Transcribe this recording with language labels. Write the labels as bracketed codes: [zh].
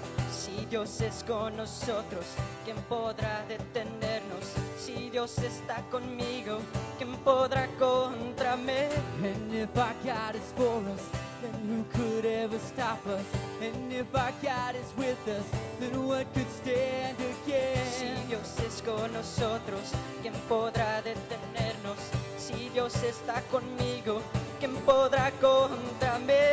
[es] si Dios es con nosotros, ¿quién podrá detenernos? Si Dios está conmigo, ¿quién podrá contra mí? [en] And if our God is for us, then who could ever stop us? And if our God is with us, then what could stand again? [es] Si Dios es con nosotros, ¿quién podrá detenernos? Si Dios está conmigo, ¿quién podrá contra mí?